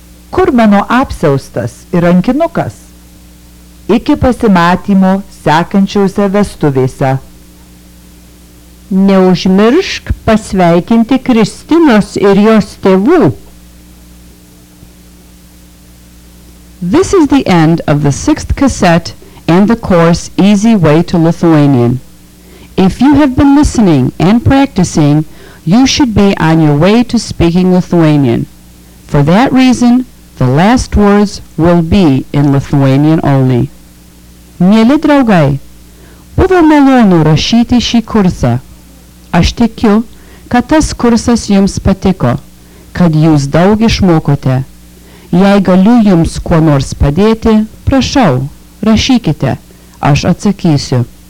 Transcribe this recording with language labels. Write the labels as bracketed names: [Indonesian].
[Lithuanian] Kur mano apsiaustas ir rankinukas? Iki pasimatymo sekančiuose vestuvėse. Neužmiršk pasveikinti Kristinos ir jos tėvų. [English] This is the end of the 6th cassette and the course Easy Way to Lithuanian. If you have been listening and practicing, you should be on your way to speaking Lithuanian. For that reason, the last words will be in Lithuanian only. [Lithuanian] Mėly draugai, buvo malonu rašyti šį kursą. Aš tikiu, kad tas kursas jums patiko, kad jūs daug išmokote. Jei galiu jums kuo nors padėti, prašau, rašykite, aš atsakysiu.